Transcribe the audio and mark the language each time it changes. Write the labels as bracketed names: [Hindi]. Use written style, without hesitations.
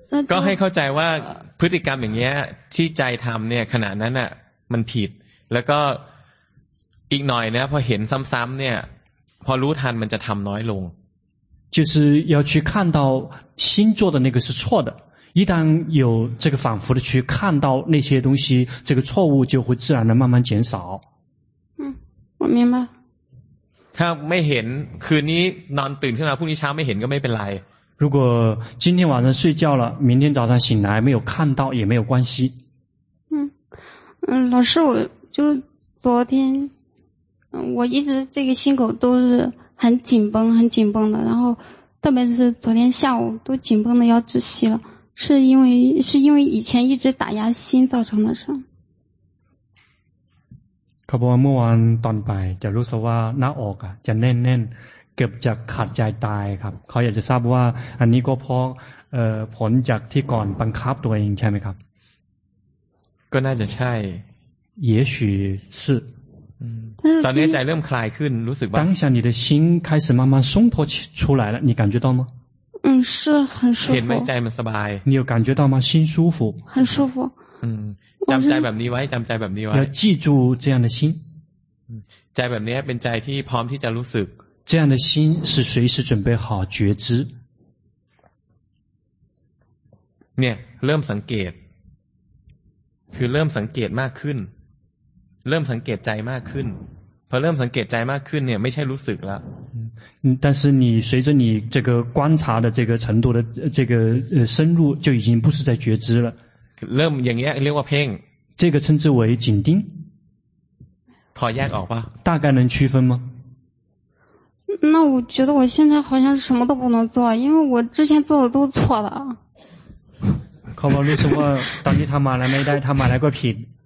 [Thai] ก็ให้เข้าใจว่าพฤติกรรมอย่างเงี้ยที่ใจทำเนี่ยขณะนั้นอ่ะมันผิดแล้วก็อีกหน่อยนะพอเห็นซ้ำๆเนี่ยพอรู้ทันมันจะทำน้อยลง [Chinese] 就是要去看到心做的那个是错的一旦有这个反复的去看到那些东西这个错误就会自然的慢慢减少我明白 [Thai] ถ้าไม่เห็นคืนนี้นอนตื่นขึ้นมาพรุ่งนี้เช้าไม่เห็นก็ไม่เป็นไร [Chinese] 如果今天晚上睡觉了明天早上醒来没有看到也没有关系老师我就昨天我一直这个心口都是很紧绷的然后特别是昨天下午都紧绷的要窒息了是因为以前一直打压心造成的事 [Thai] เขาบอกว่าเมื่อวานตอนไปจะรู้สึกว่าหน้าอกอ่ะจะแน่นๆเกือบจะขาดใจตายครับเขาอยากจะทราบว่าอันนี้ก็เพราะผลจากที่ก่อนบังคับตัวเองใช่ไหมครับ ก็น่าจะใช่ [Chinese] 也许是但是在那么快可能如此吧。当下你的心开始慢慢松脱出来了，你感觉到吗？嗯，是很舒服。在在 [Thai] สบาย。 [Chinese] 你有感觉到吗？心舒服。很舒服。 [Thai] 嗯，จำใจแบบนี้ไว้จำใจแบบนี้ไว้ [Chinese] 要记住这样的心。 [Thai] 嗯，ใจแบบนี้เป็นใจที่พร้อมที่จะรู้สึก [Chinese] 这样的心是随时准备好觉知。 [Thai] เนี่ยเริ่มสังเกตคือเริ่มสังเกตมากขึ้นเริ่มสังเกตใจมากขึ้นพอเริ่มสังเกตใจมากขึ้นเนี่ยไม่ใช่รู้สึกแล้ว [Chinese] 但是你随着你这个观察的这个程度的这个深入就已经不是在觉知了 [Thai] เริ่มอย่างแยกเรียกว่าเพ่ง [Chinese] 这个称之为紧盯 [Thai] พอแยกออกป่ะ [Chinese] 大概能区分吗那我觉得我现在好像什么都不能做因为我之前做的都错了 [Thai] เขาบอกรู้สึกว่าตอนนี้ทำมาแล้วไม่ได้ทำมาแล้วก็ผิด